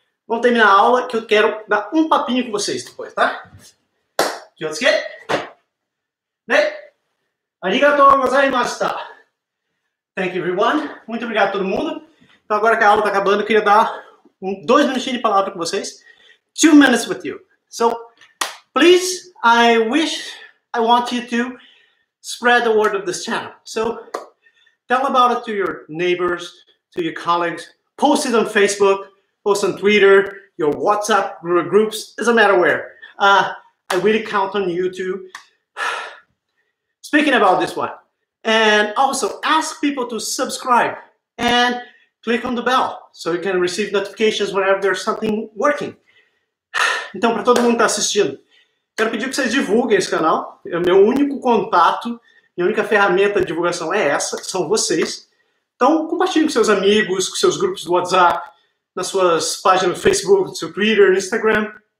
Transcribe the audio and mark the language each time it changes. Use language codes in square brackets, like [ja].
[pt] Vamos terminar a aula que eu quero dar um papinho com vocês depois, tá? [ja] Kiyotsuke. Ne. Arigatou gozaimashita. [en] Thank you, everyone. [pt] Muito obrigado a todo mundo. Então agora que a aula está acabando, eu queria dar dois minutinhos de palavra com vocês. [en] 2 minutes with you. So, please, I want you to spread the word of this channel. So tell about it to your neighbors, to your colleagues. Post it on Facebook, post on Twitter, your WhatsApp groups, doesn't matter where. I really count on you to speaking about this one. And also ask people to subscribe and click on the bell so you can receive notifications whenever there's something working. [pt] Então, para todo mundo que está assistindo, quero pedir que vocês divulguem esse canal. É o meu único contato, minha única ferramenta de divulgação é essa, são vocês. Então, compartilhe com seus amigos, com seus grupos do WhatsApp, nas suas páginas do Facebook, no seu Twitter, no Instagram.